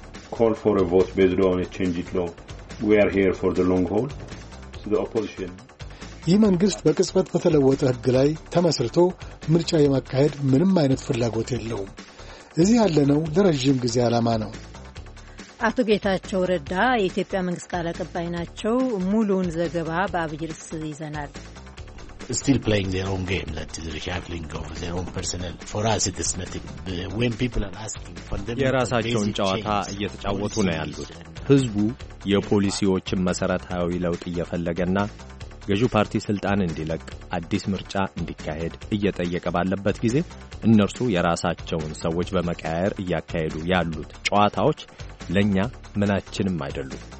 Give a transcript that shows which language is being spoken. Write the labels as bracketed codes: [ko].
[en] call for a vote based on a change in law. We are here for the long haul. So the opposition [am] ይህ መንግስት በቅጽበት በተለወጠ ህግ ላይ ተመስርቶ ምርጫ የማካሄድ ምንም አይነት ፍላጎት የለውም። እዚህ ያለነው ለረጅም ጊዜ አላማ ነው። አቶ ጌታቸው ረዳ የኢትዮጵያ መንግስት ቃል አቀባይ ናቸው። ሙሉን ዘገባ በአብይ ርዕስ ይዘናል። [en] Still playing their own game, that is reshuffling of their own personnel. For us it is nothing. When people are asking for them, [am] የራሳቸውን ጨዋታ እየተጫወቱ ነው ያሉት። ህዝቡ የፖሊሲዎችን መሰረታዊ ለውጥ እየፈለገና ገዢው ፓርቲ ስልጣን እንዲለቅ አዲስ ምርጫ እንዲካሄድ እየጠየቀ ባለበት ጊዜ እነርሱ የራሳቸውን ሰዎች በመቀያየር እያካሄዱ ያሉት ጨዋታዎች ለኛ ምናችንም አይደሉም።